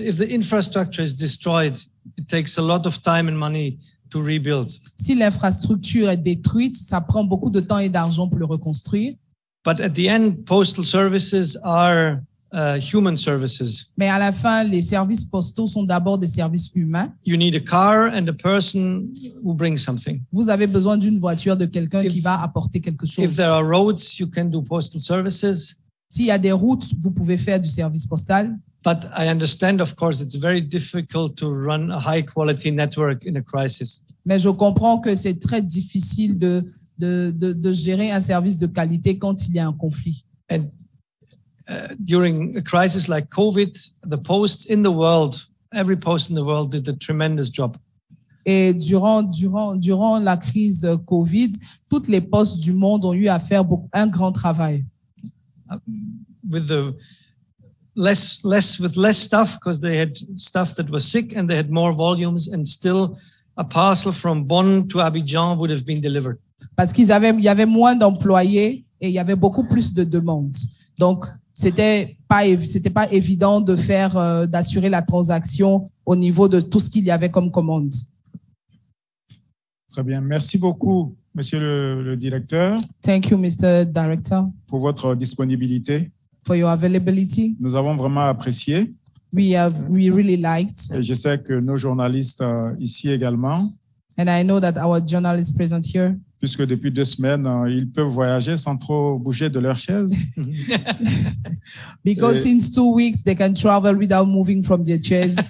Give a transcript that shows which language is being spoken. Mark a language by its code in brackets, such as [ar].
[en] If the infrastructure is destroyed, it takes a lot of time and money to rebuild. [fr] Si l'infrastructure est détruite, ça prend beaucoup de temps et d'argent pour le reconstruire. [en] But at the end, postal services are human services. [fr] Mais à la fin, les services postaux sont d'abord des services humains. [en] You need a car and a person who brings something. [fr] Vous avez besoin d'une voiture, de quelqu'un qui va apporter quelque chose. [en] If there are roads, you can do postal services. [fr] S'il y a des routes, vous pouvez faire du service postal. [en] But I understand, of course, it's very difficult to run a high-quality network in a crisis. [fr] Mais je comprends que c'est très difficile de gérer un service de qualité quand il y a un conflit. [en] And during a crisis like COVID, the post in the world, every post in the world did a tremendous job. [fr] Et durant la crise COVID, toutes les postes du monde ont eu à faire un grand travail. [en] With the less with less stuff because they had stuff that was sick and they had more volumes and still a parcel from Bonn to Abidjan would have been delivered. [fr] parce qu'ils avaient, il y avait moins d'employés et il y avait beaucoup plus de demandes. Donc, c'était pas évident de faire, d'assurer la transaction au niveau de tout ce qu'il y avait comme commandes. Très bien. Merci beaucoup, monsieur le directeur. [en] Thank you, Mr. Director. [fr] Pour votre disponibilité. [en] For your availability. [fr] Nous avons vraiment apprécié. [en] We really liked. [fr] Et je sais que nos journalistes ici également. [en] And I know that our journalists present here. [fr] Puisque depuis deux semaines, ils peuvent voyager sans trop bouger de leur chaise. [en] Because since 2 weeks, they can travel without moving from their chairs.